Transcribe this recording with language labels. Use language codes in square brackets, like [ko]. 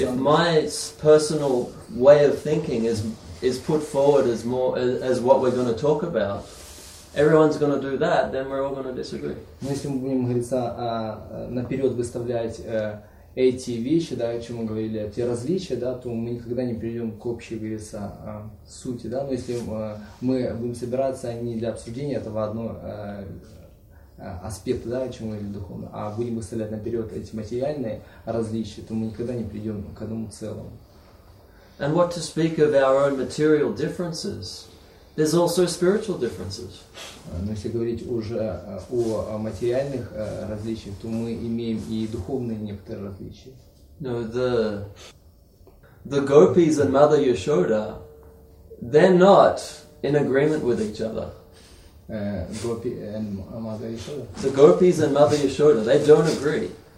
[en] If my personal way of thinking is put forward as more as what we're going to talk about, everyone's going to do that, then we're all going to disagree. [ru] Но если мы будем, говорится, наперед выставлять эти вещи, да, о чем мы говорили, те различия, да, то мы никогда не перейдем к общей, говорится, сути, да. Но если мы будем собираться не для обсуждения этого одного аспекта, да, о чем мы говорили духовно, а будем выставлять наперед эти материальные различия, то мы никогда не придем к одному целому. [en] And what to speak of our own material differences? There's also spiritual differences. [ru] Но если говорить уже о материальных различиях, то мы имеем и духовные некоторые различия. [en] No, the gopis and Mother Yashoda, they're not in agreement with each other. Gopi and Mother Yashoda. The gopis and Mother Yashoda, they don't agree.